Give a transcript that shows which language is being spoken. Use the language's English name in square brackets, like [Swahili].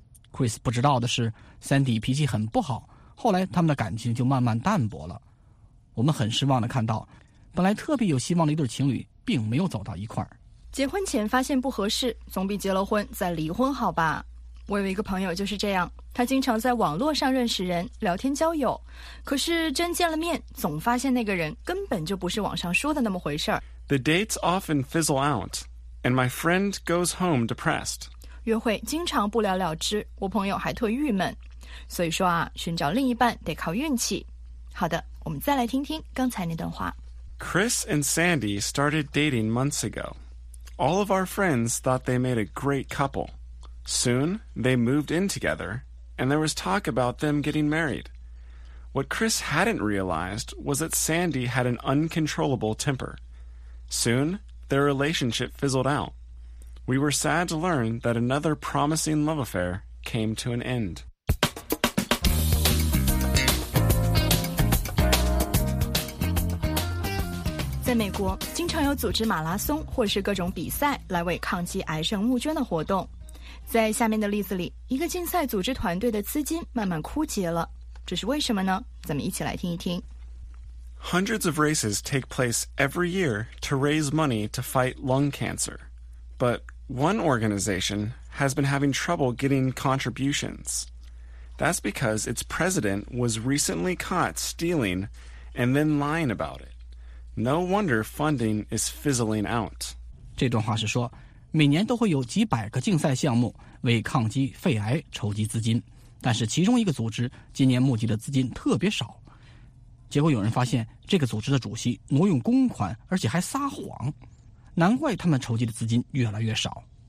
[Chinese] Chris 不知道的是 ，Sandy 脾气很不好，后来他们的感情就慢慢淡薄了。我们很失望地看到，本来特别有希望的一对情侣并没有走到一块儿。结婚前发现不合适，总比结了婚再离婚好吧？我有一个朋友就是这样，他经常在网络上认识人，聊天交友，可是真见了面，总发现那个人根本就不是网上说的那么回事儿。 [English] The dates often fizzle out, and my friend goes home depressed. [Chinese] 约会经常不了了之，我朋友还特郁闷。所以说啊，寻找另一半得靠运气。好的，我们再来听听刚才那段话。 [English] Chris and Sandy started dating months ago. All of our friends thought they made a great couple. Soon, they moved in together, and there was talk about them getting married. What Chris hadn't realized was that Sandy had an uncontrollable temper. Soon, their relationship fizzled out. We were sad to learn that another promising love affair came to an end. [Chinese] 在美国，经常有组织马拉松或是各种比赛来为抗击癌症募捐的活动。在下面的例子里，一个竞赛组织团队的资金慢慢枯竭了，这是为什么呢？咱们一起来听一听。 [English] Hundreds of races take place every year to raise money to fight lung cancer. But one organization has been having trouble getting contributions. That's because its president was recently caught stealing and then lying about it. No wonder funding is fizzling out. [Chinese] 这段话是说，每年都会有几百个竞赛项目为抗击肺癌筹集资金，但是其中一个组织今年募集的资金特别少。结果有人发现这个组织的主席挪用公款，而且还撒谎，难怪他们筹集的资金越来越少。